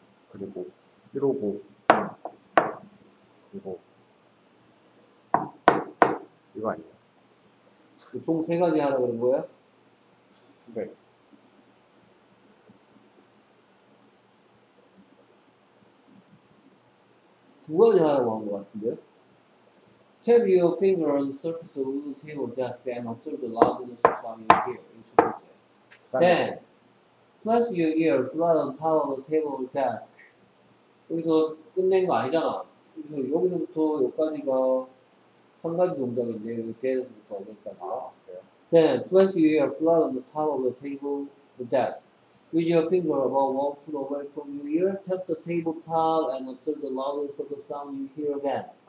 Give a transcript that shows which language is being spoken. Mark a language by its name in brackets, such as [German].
[Korean] 그리고 이러고 그리고 이거 아니야? 그 총 세 가지 하라고 그런 거야? 네. 두 가지 하라고 한 것 같은데요? [English] Tap your finger on the surface of the table desk and observe the loudness of your ear. [Korean] 그다음에 [English] Then, place your ear flat on top of the table desk. [Korean] 여기서 끝낸 거 아니잖아. 그래서 여기서부터 여기까지가 한 가지 동작인데, 여기서부터 여기까지가. 아, [English] Then, place your ear flat on the top of the table the desk. With your finger about 1 foot away from your ear, tap the table top and observe the loudness of the sound you hear again.